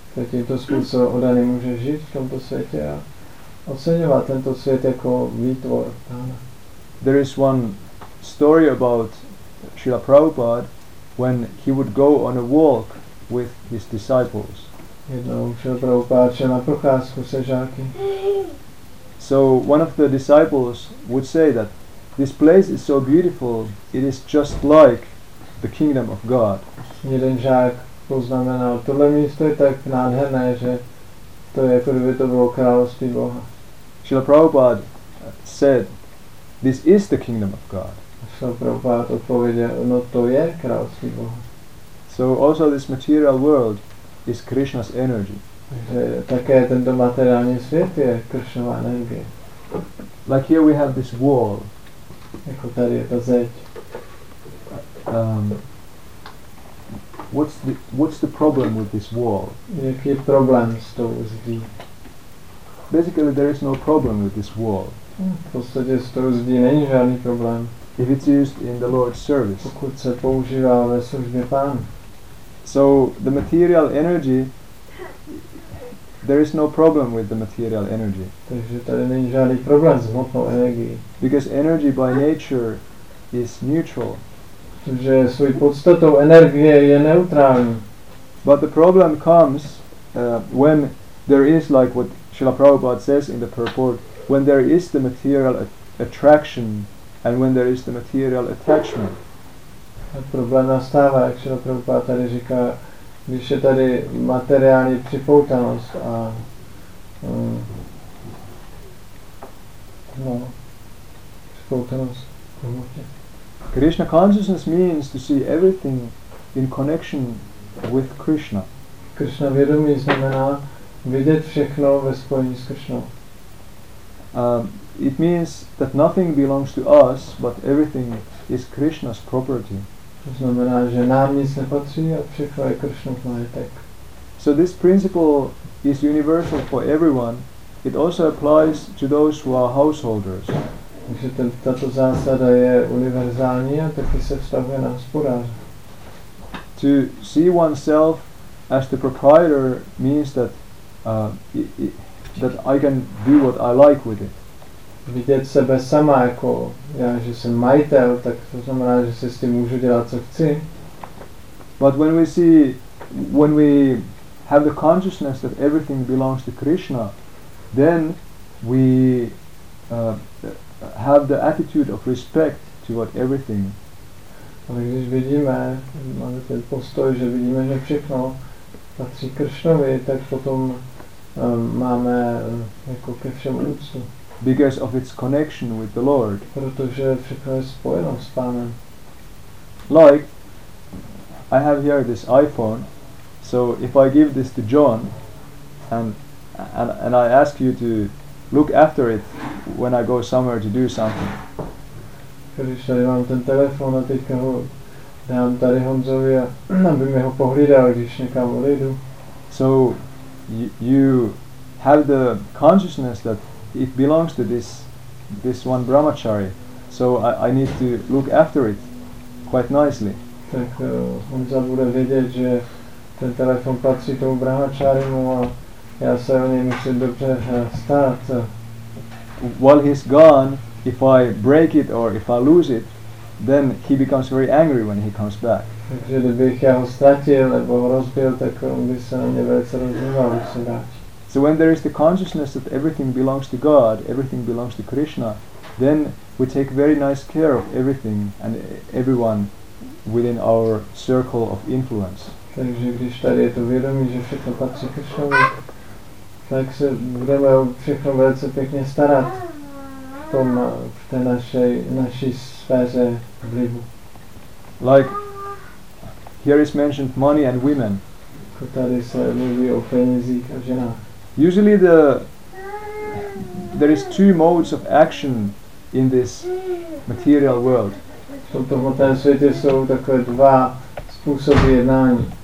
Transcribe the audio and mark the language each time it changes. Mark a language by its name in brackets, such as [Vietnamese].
[Czech] Tímto způsobem oddaný může žít v tomto světě a oceňovat tento svět jako výtvor Pána. [English] There is one story about Srila Prabhupada when he would go on a walk with his disciples. [Czech] Jednou Srila Prabhupada šel na procházku se žáky. [English] So one of the disciples would say that this place is so beautiful, it is just like the kingdom of God. [Czech] Jeden žák poznamenal, tohle místo je tak nádherné, že to je, jako kdyby to bylo království Boha. [English] Srila Prabhupada said, this is the kingdom of God. [Czech] Srila Prabhupada odpověděl, no to je království Boha. [English] So also this material world is Krishna's energy. [Czech] Takže také tento materiální svět je Krishnova energie. [English] Like here we have this wall. [Czech] Jako tady je ta zeď. [English] What's the problem with this wall? [Czech] Jaký je problém s tou zdí? [English] Basically, there is no problem with this wall. [Czech] V podstatě s tou zdí není žádný problém. [English] If it's used in the Lord's service. [Czech] Pokud se používá ve službě Pán. [English] So the material energy, there is no problem with the material energy. [Czech] Takže tady není žádný problém s hmotnou energií. [English] Because energy by nature is neutral. [Czech] Protože svojí podstatou energie je neutrální. [English] But the problem comes when there is, like what Srila Prabhupada says in the purport, when there is the material attraction and when there is the material attachment. [Czech] A problém nastává, jak Srila Prabhupada tady říká, když je tady materiální připoutanost a připoutanost k hmotě. [English] Krishna consciousness means to see everything in connection with Krishna. [Czech] Krishna vědomí znamená vidět všechno ve spojení s Krishnou. [English] It means that nothing belongs to us, but everything is Krishna's property. [Czech] To znamená, že nám nic nepatří a všechno je Krishnův majetek. [English] So this principle is universal for everyone. It also applies to those who are householders. [Czech] Takže tato zásada je univerzální a taky se vztahuje na hospodáře. [English] To to see oneself as the proprietor means that that I can do what I like with it. [Czech] Vidět sebe sama jako já, že jsem majitel, tak to znamená, že si s tím můžu dělat, co chci. [English] But when we see, when we have the consciousness that everything belongs to Krishna, then we have the attitude of respect toward everything. [Czech] Ale když vidíme, máme ten postoj, že vidíme, že všechno patří Kršnovi, tak potom máme jako ke všem úctu. [English] Because of its connection with the Lord. [Czech] Protože všechno je spojeno s Pánem. [English] Like, I have here this iPhone, so if I give this to John, and I ask you to look after it when I go somewhere to do something. [Czech] Když tady mám ten telefon a teďka ho dám tady Honzovi, aby mi ho pohlídal, když někam odejdu. [English] So you have the consciousness that it belongs to this one brahmachari. So I need to look after it quite nicely. [Czech] Tak Honza bude vědět, že ten telefon patří tomu brahmacharimu a já se o něj musím dobře starat. [English] While he's gone, if I break it or if I lose it, then he becomes very angry when he comes back. [Czech] Takže kdybych já ho ztratil nebo ho rozbil, tak on by se na mě velice rozhodnul, aby se dát. [English] So when there is the consciousness that everything belongs to God, everything belongs to Krishna, then we take very nice care of everything and everyone within our circle of influence. [Czech] Takže když tady je to vědomí, že všechno patří Krishnovi, tak se budeme všechno velice pěkně starat. V té naší sféře vlivu. [English] Like, here is mentioned money and women. [Czech] Tady se mluví o penězích a ženách. [English] Usually there is two modes of action in this material world. [Czech] V tomto světě jsou takové dva způsoby jednání.